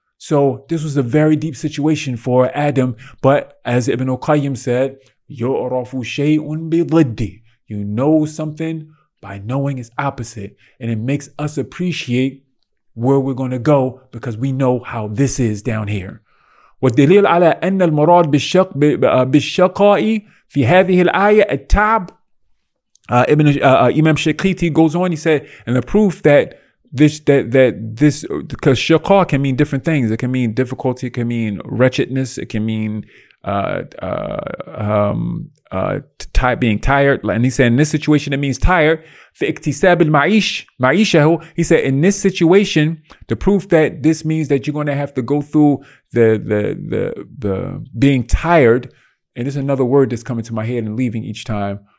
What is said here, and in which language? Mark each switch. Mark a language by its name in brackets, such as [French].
[English] So this was a very deep situation for Adam. But as Ibn al-Qayyim said, [Arabic] يُعْرَفُ شَيْءٌ بِضِدِّ. [English] You know something by knowing its opposite. And it makes us appreciate where we're going to go because we know how this is down here. [Arabic] والدليل على أن المراد بالشقاء في هذه الآية التعب. [English] Imam Shaqiti goes on, he said, and the proof that this, because shaqa can mean different things. It can mean difficulty, it can mean wretchedness, it can mean being tired. And he said, in this situation, it means tired. [Arabic] فإكتساب المعيش, معيشه, [English] he said, in this situation, the proof that this means that you're going to have to go through the being tired, and this is another word that's coming to my head and leaving each time.